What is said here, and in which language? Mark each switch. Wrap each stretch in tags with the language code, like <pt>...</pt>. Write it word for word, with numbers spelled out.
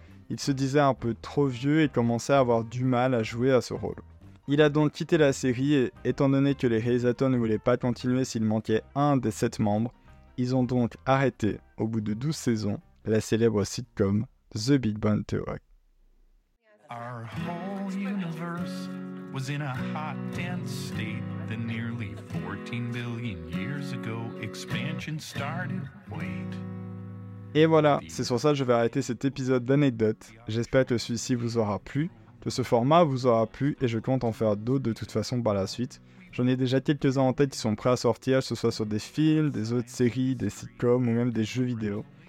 <fr>Il se disait un peu trop vieux et commençait à avoir du mal à jouer à ce rôle. Il a donc quitté la série et, étant donné que les réalisateurs ne voulaient pas continuer s'il manquait un des sept membres, ils ont donc arrêté, au bout de douze saisons, la célèbre sitcom The Big Bang Theory.</fr> <en>Our whole universe was in a hot, dense state that nearly fourteen billion years ago expansion started. Wait.</en> <fr>Et voilà, c'est sur ça que je vais arrêter cet épisode d'anecdotes. J'espère que celui-ci vous aura plu, que ce format vous aura plu et je compte en faire d'autres de toute façon par la suite. J'en ai déjà quelques-uns en tête qui sont prêts à sortir, que ce soit sur des films, des autres séries, des sitcoms ou même des jeux vidéo.</fr>